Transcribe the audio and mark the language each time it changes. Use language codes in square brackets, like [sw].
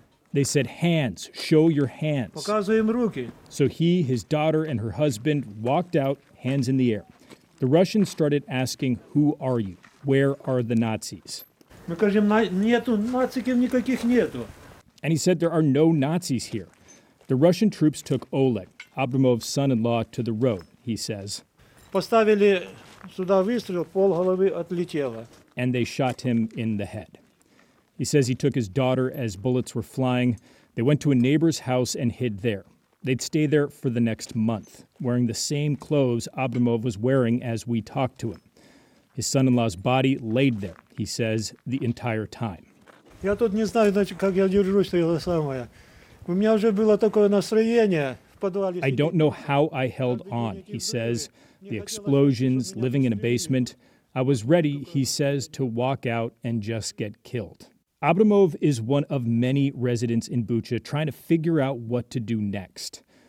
[en] They said, hands, show your hands. So he, his daughter, and her husband walked out, hands in the air. The Russians started asking, who are you? Where are the Nazis? And he said, there are no Nazis here. The Russian troops took Oleg, Abramov's son-in-law, to the road, he says. [ru] Поставили сюда выстрел, пол головы отлетело. [en] And they shot him in the head. He says he took his daughter as bullets were flying. They went to a neighbor's house and hid there. They'd stay there for the next month, wearing the same clothes Abramov was wearing as we talked to him. His son-in-law's body laid there, he says, the entire time. [ru] Я тут не знаю, как я держусь, то самое. У меня уже было такое настроение. [en] I don't know how I held on, he says. The explosions, living in a basement. I was ready, he says, to walk out and just get killed. Abramov is one of many residents in Bucha trying to figure out what to do next.